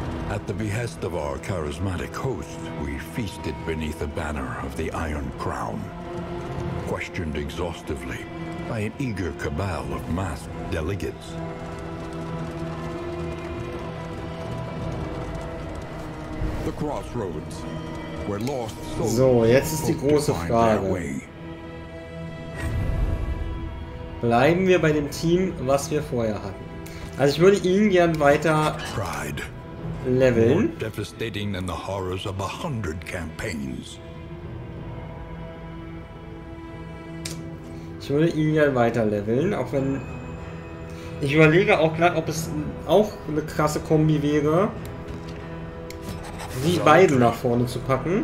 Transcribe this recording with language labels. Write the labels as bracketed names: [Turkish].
[English] At the behest of our charismatic host, we feasted beneath a banner of the Iron Crown. Questioned exhaustively by an eager cabal of masked delegates. The crossroads were lost. [German] So, jetzt ist die große Frage. Bleiben wir bei dem Team, was wir vorher hatten. Also ich würde ihn gern weiter leveln. [English] More devastating than the horrors of 100 campaigns. [German] Ich würde ihn ja weiter leveln, auch wenn... Ich überlege auch gerade, ob es auch eine krasse Kombi wäre, die beiden nach vorne zu packen.